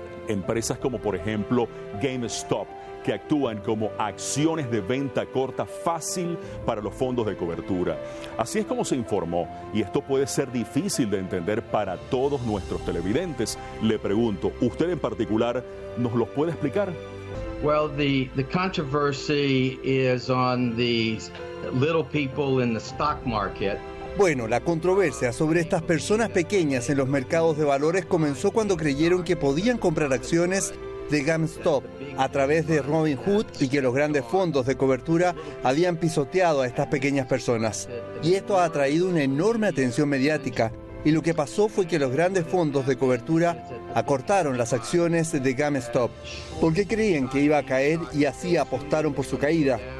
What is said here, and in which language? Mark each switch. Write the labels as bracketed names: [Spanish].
[Spanish] Empresas como, por ejemplo, GameStop, que actúan como acciones de venta corta fácil para los fondos de cobertura. Así es como se informó, y esto puede ser difícil de entender para todos nuestros televidentes. Le pregunto, ¿usted en particular nos los puede explicar? [English] Well, the controversy is on the little people in the stock market. [Spanish] Bueno, la controversia sobre estas personas pequeñas en los mercados de valores comenzó cuando creyeron que podían comprar acciones de GameStop a través de Robinhood y que los grandes fondos de cobertura habían pisoteado a estas pequeñas personas. Y esto ha atraído una enorme atención mediática. Y lo que pasó fue que los grandes fondos de cobertura acortaron las acciones de GameStop porque creían que iba a caer y así apostaron por su caída.